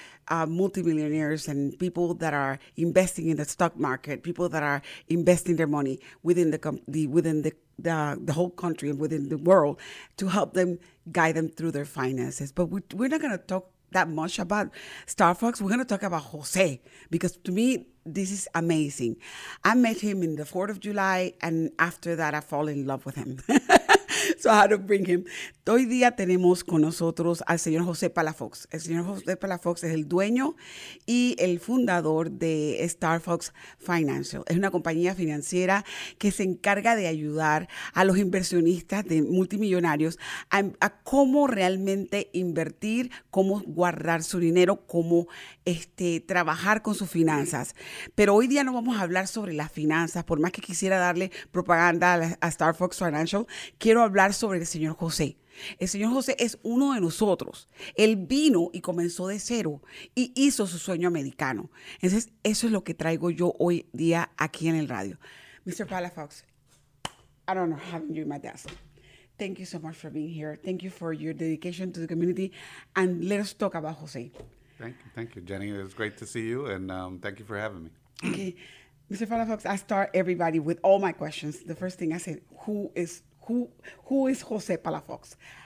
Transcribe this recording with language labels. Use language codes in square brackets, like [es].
[en] multimillionaires and people that are investing in the stock market, people that are investing their money within the whole country and within the world to help them guide them through their finances. But we're not going to talk that much about Starfox. We're going to talk about Jose, because to me, this is amazing. I met him in the 4th of July, and after that, I fall in love with him. So I had to bring him. [es] Hoy día tenemos con nosotros al señor José Palafox. El señor José Palafox es el dueño y el fundador de Starfox Financial. Es una compañía financiera que se encarga de ayudar a los inversionistas de multimillonarios a cómo realmente invertir, cómo guardar su dinero, cómo trabajar con sus finanzas. Pero hoy día no vamos a hablar sobre las finanzas. Por más que quisiera darle propaganda a Starfox Financial, quiero hablar sobre el señor José. El señor José es uno de nosotros. Él vino y comenzó de cero y hizo su sueño americano. Entonces, eso es lo que traigo yo hoy día aquí en el radio. [en] Mr. Palafox, I don't know having you in my desk. Thank you so much for being here. Thank you for your dedication to the community. And let us talk about José. Thank you, Jenny. It was great to see you, and thank you for having me. Okay. Mr. Palafox, I start everybody with all my questions. The first thing I said, Who is Jose Palafox?